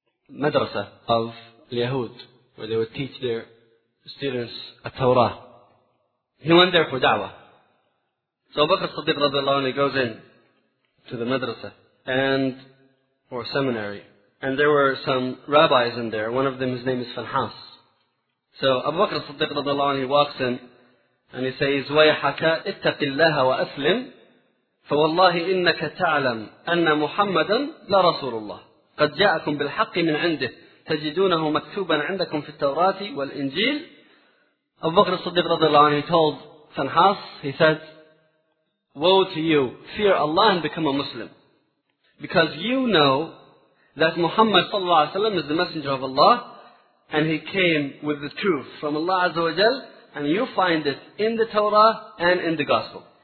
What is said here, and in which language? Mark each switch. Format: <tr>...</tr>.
<en>Madrasa of Yahud, where they would teach their students a Torah. He went there for da'wah. So Abu Bakr as-Siddiq radiallahu anhu goes in to the madrasa and or seminary. And there were some rabbis in there. One of them, his name is Fanhas. So Abu Bakr as-Siddiq radiallahu anhu walks in and he says,</en> <ar>وَيَحَكَ اتَّقِ اللَّهَ وَأَسْلِمْ فَوَاللَّهِ إِنَّكَ تَعْلَمْ أَنَّ مُحَمَّدًا لَرَسُولُ اللَّهِ قد جاءكم بالحق من عنده تجدونه مكتوبا عندكم في التوراة والإنجيل. أبو بكر الصديق رضي الله عنه,</ar> <en>he told Fanhas, he said, woe to you, fear Allah and become a Muslim. Because you know that Muhammad sallallahu alayhi wa sallam is the messenger of Allah, and he came with the truth from Allah azza wa jal, and you find it in the Torah and in the Gospel.</en>